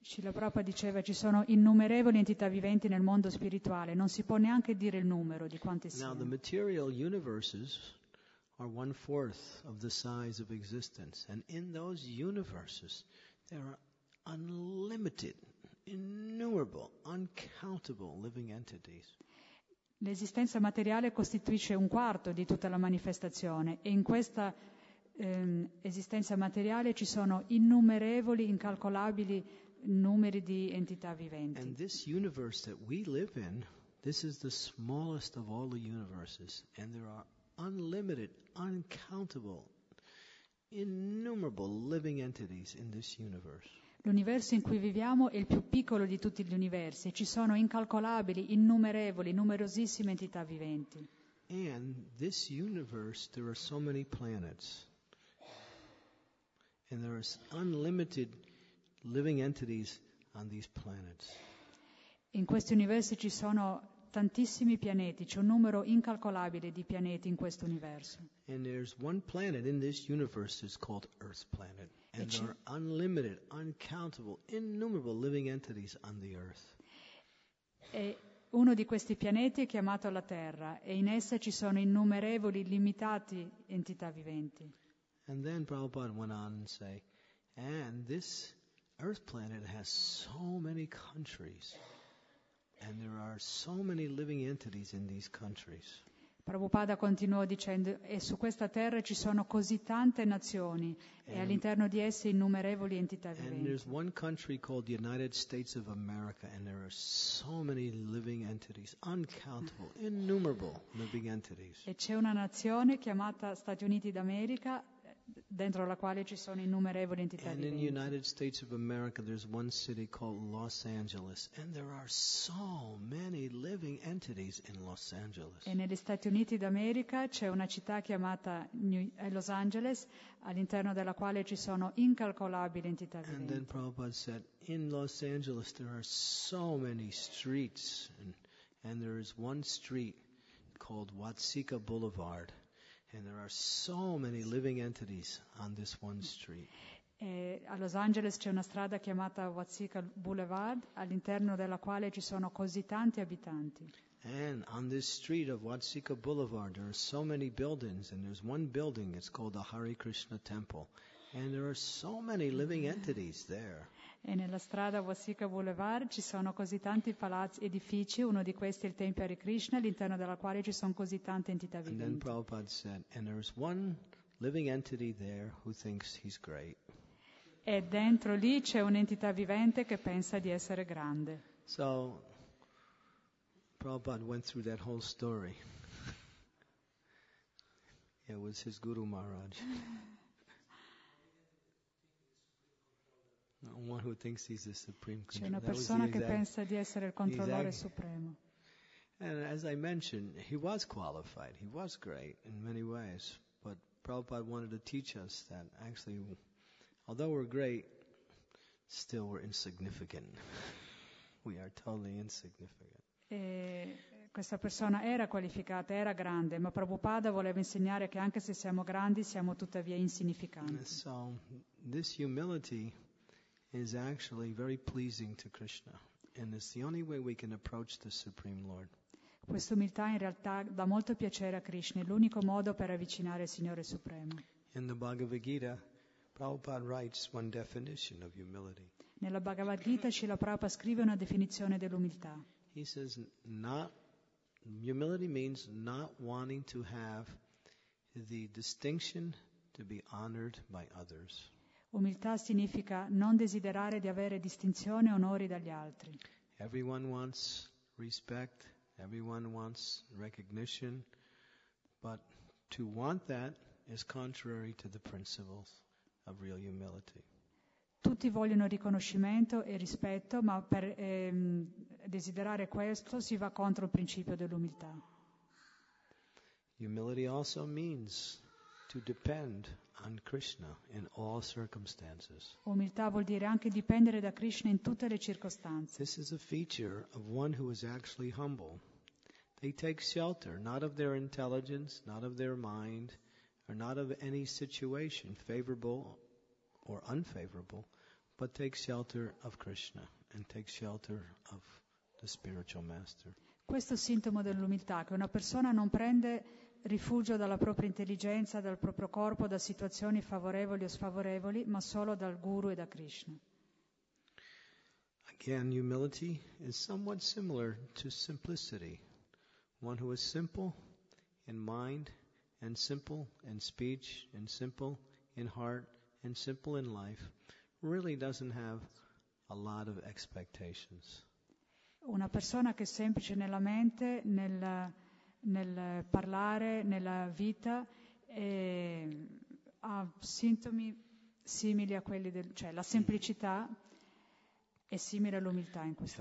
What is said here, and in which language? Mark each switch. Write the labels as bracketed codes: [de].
[it] Srila Prabhupada diceva ci sono innumerevoli entità viventi nel mondo spirituale, non si può neanche dire il numero di quante siano. [en] Now the material universes are 1/4 of the size of existence, and in those universes there are unlimited, innumerable, uncountable living entities. [it] L'esistenza materiale costituisce un quarto di tutta la manifestazione e in questa esistenza materiale ci sono innumerevoli, incalcolabili numeri di entità viventi. [en] And this universe that we live in, this is the smallest of all the universes, and there are unlimited, uncountable, innumerable living entities in this universe. [it] L'universo in cui viviamo è il più piccolo di tutti gli universi e ci sono incalcolabili, innumerevoli, numerosissime entità viventi. [en] And this universe, there are so many planets. And there are unlimited living entities on these planets. [it] In questi universi ci sono tantissimi pianeti, c'è un numero incalcolabile di pianeti in questo universo. [en] And there's one planet in this universe that's called Earth planet, and there are unlimited, uncountable, innumerable living entities on the Earth. [it] E uno di questi pianeti è chiamato la Terra, e in essa ci sono innumerevoli, limitati entità viventi. [en] And then Prabhupada went on and say, and this Earth planet has so many countries. And there are so many living entities in these countries. [it] Prabhupada continuò dicendo: e su questa terra ci sono così tante nazioni, e all'interno di esse innumerevoli entità viventi. [en] And there's one country called the United States of America, and there are so many living entities, uncountable, innumerable living entities. [it] E c'è una nazione chiamata Stati Uniti d'America, dentro la quale ci sono innumerevoli entità viventi. [en] And in the United States of America there's one city called Los Angeles, and there are so many living entities in Los Angeles. [it] E negli Stati Uniti d'America c'è una città chiamata Los Angeles, all'interno della quale ci sono incalcolabili entità viventi. [en] And then Prabhupada said, in Los Angeles there are so many streets, and there is one street called Watsika Boulevard. And there are so many living entities on this one street. [it] A Los Angeles c'è una strada chiamata Watsika Boulevard, all'interno della quale ci sono così tanti abitanti. [en] And on this street of Watsika Boulevard there are so many buildings, and there's one building, it's called the Hare Krishna Temple, and there are so many living entities there. [it] E nella strada Watsika Boulevard ci sono così tanti palazzi, edifici, uno di questi è il Tempio Hare Krishna, all'interno della quale ci sono così tante entità viventi. [en] And then Prabhupada said, and there's one living entity there who thinks he's great. [it] E dentro lì c'è un'entità vivente che pensa di essere grande. [en] So Prabhupada went through that whole story. It was his Guru Maharaj. One who thinks he's the supreme controller. [it] C'è una persona che pensa di essere il controllore supremo. [en] And as I mentioned, he was qualified. He was great in many ways. But Prabhupada wanted to teach us that actually, although we're great, still we're insignificant. We are totally insignificant. [it] E questa persona era qualificata, era grande, ma Prabhupada voleva insegnare che anche se siamo grandi, siamo tuttavia insignificanti. [en] And so, this humility is actually very pleasing to Krishna, and it's the only way we can approach the Supreme Lord. [it] Questa umiltà in realtà dà molto piacere a Krishna, è l'unico modo per avvicinare il Signore Supremo. [en] In the Bhagavad Gita, Prabhupada writes one definition of humility. [it] Nella Bhagavad Gita Srila Prabhupada scrive una definizione dell'umiltà. [en] He says, not humility means not wanting to have the distinction to be honored by others. [it] Umiltà significa non desiderare di avere distinzione e onori dagli altri. [en] Everyone wants respect, everyone wants recognition, but to want that is contrary to the principles of real humility. [it] Tutti vogliono riconoscimento e rispetto, ma per desiderare questo si va contro il principio dell'umiltà. [en] Humility also means to depend on Krishna in all circumstances. [it] Umiltà vuol dire anche dipendere da Krishna in tutte le circostanze. [en] This is a feature of one who is actually humble. They take shelter not of their intelligence, not of their mind, or not of any situation, favorable or unfavorable, but take shelter of Krishna and take shelter of the spiritual master. [it] Questo è il sintomo dell'umiltà, che una persona non prende rifugio dalla propria intelligenza, dal proprio corpo, da situazioni favorevoli o sfavorevoli, ma solo dal Guru e da Krishna. [en] Again, humility is somewhat similar to simplicity. One who is simple in mind and simple in speech and simple in heart and simple in life really doesn't have a lot of expectations. [it] Una persona che è semplice nella mente, nel parlare, nella vita, ha sintomi simili a quelli del, cioè la semplicità è simile all'umiltà in questo